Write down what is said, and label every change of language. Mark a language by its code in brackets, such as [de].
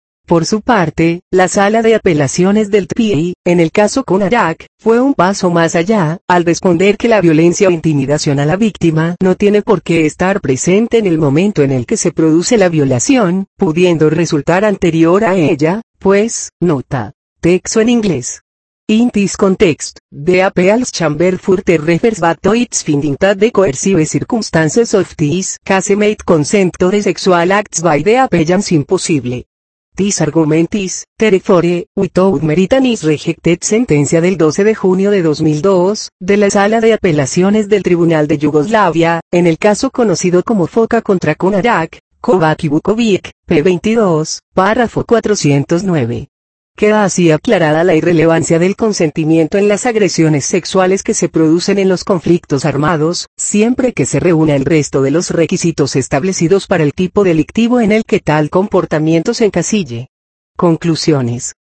[es] Por su parte, la Sala de Apelaciones del TPI, en el caso con Arak, fue un paso más allá, al responder que la violencia o intimidación a la víctima no tiene por qué estar presente en el momento en el que se produce la violación, pudiendo resultar anterior a ella, pues, nota. Texto en inglés. [en] In this context, the appeals chamber further refers back to its finding that the coercive circumstances of these casemate consented sexual acts by the appellants impossible. This argument is, therefore, without merit and is rejected. [es] Sentencia del 12 de junio de 2002, de la Sala de Apelaciones del Tribunal de Yugoslavia, en el caso conocido como FOCA contra Konarak, Kovac y Vukovic, p. 22, párrafo 409. Queda así aclarada la irrelevancia del consentimiento en las agresiones sexuales que se producen en los conflictos armados, siempre que se reúna el resto de los requisitos establecidos para el tipo delictivo en el que tal comportamiento se encasille. Conclusiones.